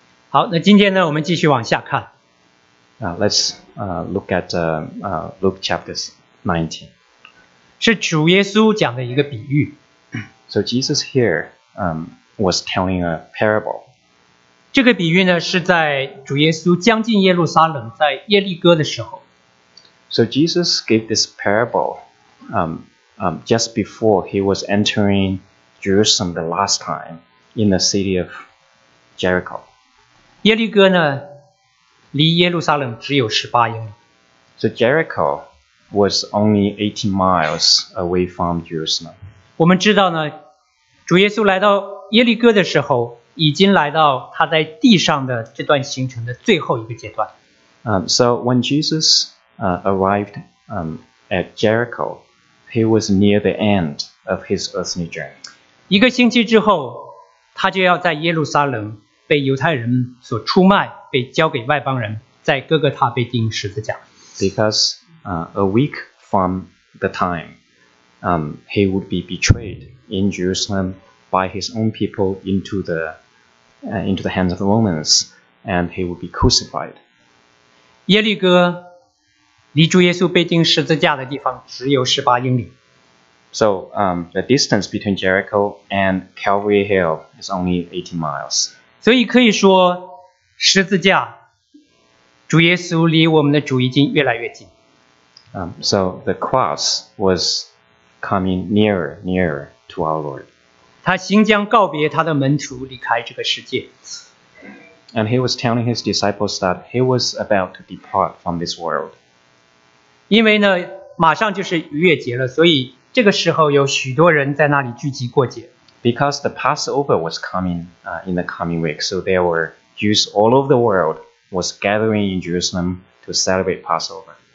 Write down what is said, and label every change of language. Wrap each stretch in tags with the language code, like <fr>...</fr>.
<zh>好，那今天呢，我们继续往下看。</zh> <en>Let's look at Luke chapter 19.</en> <zh>是主耶稣讲的一个比喻。</zh> <en>So Jesus here was telling a parable.</en> <zh>这个比喻呢，是在主耶稣将近耶路撒冷，在耶利哥的时候。</zh> <en>So Jesus gave this parable just before he was entering Jerusalem the last time in the city of Jericho.</en> <zh>耶利哥呢，离耶路撒冷只有18英里。</zh> <en>So Jericho was only 18 miles away from Jerusalem.</en> <zh>我们知道呢，主耶稣来到耶利哥的时候，已经来到他在地上的这段行程的最后一个阶段。</zh> <en>So when Jesus... arrived at Jericho, he was near the end of his earthly journey.</en> <zh>一个星期之后，他就要在耶路撒冷被犹太人所出卖，被交给外邦人，在哥哥他被钉十字架。</zh> <en>Because a week from the time, he would be betrayed in Jerusalem by his own people into the hands of the Romans, and he would be crucified.</en> <zh>耶利哥离主耶稣被钉十字架的地方只有18英里。</zh> <en>So the distance between Jericho and Calvary Hill is only 80 miles.</en> <zh>所以可以说, 十字架, 主耶稣离我们的主已经越来越近。</zh> <en>So the cross was coming nearer, nearer to our Lord.</en> <zh>他行将告别他的门徒离开这个世界。</zh> <en>And he was telling his disciples that he was about to depart from this world.</en> <zh>因为呢, 马上就是逾越节了, 所以这个时候有许多人在那里聚集过节。</zh> <en>Because the Passover was coming in the coming week, so there were Jews all over the world was gathering in Jerusalem to celebrate Passover.</en>